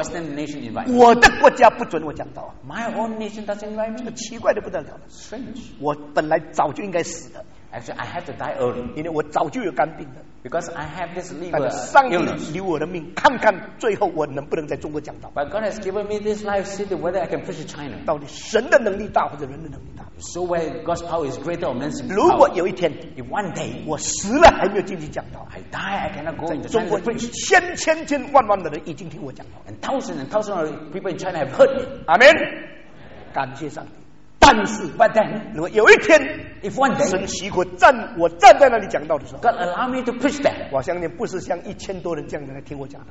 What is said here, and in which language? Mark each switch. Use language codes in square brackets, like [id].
[en] Western nation invite me. [zh] 我的国家不准我讲到。 [en] My own nation doesn't invite me. [zh] 这奇怪的不得了。 [en] Strange. [zh] 我本来早就应该死的。 [en] Actually, I have to die early. [zh] 因为我早就有肝病了。 [en] Because I have this liver illness. [zh] 但是上帝留我的命，看看最后我能不能在中国讲道。 [en] But God has given me this life, see whether I can preach in China. [zh] 到底神的能力大或者人的能力大 [en] ？So where God's power is greater or man's power? [zh] 如果有一天 [en] ，if one day [zh] 我死了还没有进去讲道 [en] ，I die, I cannot go into China. [zh] 在中国，千千千万万的人已经听我讲道 [en] ，and thousands and thousands of people in China have heard me. [zh] Amen. 感谢上帝。但是 [en] ，But then， [zh] 如果有一天 [en] ，If one day， [zh] 神奇国站我站在那里讲道的时候 [en] ，God allow me to preach that， [zh] 我相信不是像一千多人这样的来听我讲道。